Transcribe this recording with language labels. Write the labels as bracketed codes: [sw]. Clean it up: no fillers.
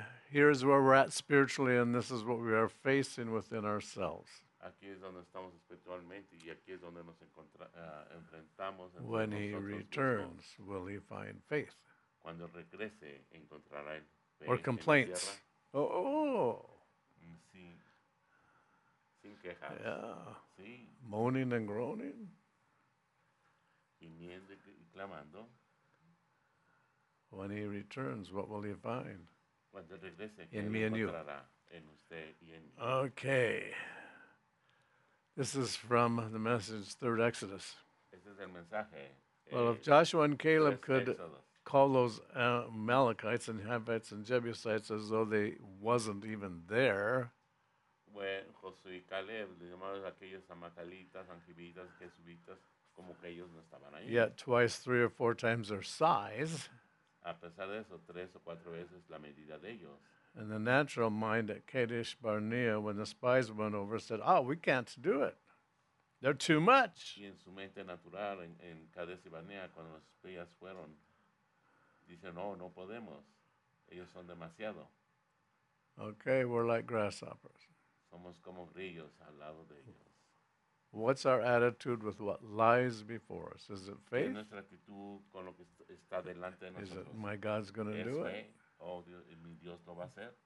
[en] Here is where we're at spiritually, and this is what we are facing within ourselves. [es] Aquí es donde estamos espiritualmente, y aquí es donde nos enfrentamos. [en] When he returns, will he find faith? [es] Cuando regrese, encontrará fe. [en] Or complaints. Oh. [es] Sí. Sin quejas. [en] Yeah. [es] Sí. [en] Moaning and groaning. [es] Gimiendo y clamando. [en] When he returns, what will he find? [es] Cuando regrese, [en] in me and you. [es] En usted y en mí. [en] Okay. This is from the message, Third Exodus. [es] Este es el mensaje, [en] well, if Joshua and Caleb could Exodus. Call those Amalekites and Hivites and Jebusites as though they wasn't even there. [es] Bueno, Josué y Caleb, le llamaron a aquellos Amalekitas, Anjibitas, Jesubitas, como que ellos no estaban ahí. [en] Yet twice, three or four times their size. [es] A pesar de eso, tres o cuatro veces la medida de ellos. [en] And the natural mind at Kadesh Barnea, when the spies went over, said, oh, we can't do it. They're too much. [es] Y en su mente natural, en Kadesh Barnea, cuando los espías fueron, dicen, no, no podemos. Ellos son demasiado. [en] Okay, we're like grasshoppers. [es] Somos como grillos al lado de ellos. [en] What's our attitude with what lies before us? Is it faith? [es] ¿Qué es nuestra actitud con lo que está delante de nosotros? [en] Is it, my God's going to do [es] fe? [en] It? [es] Oh, Dios, mi Dios lo va a hacer.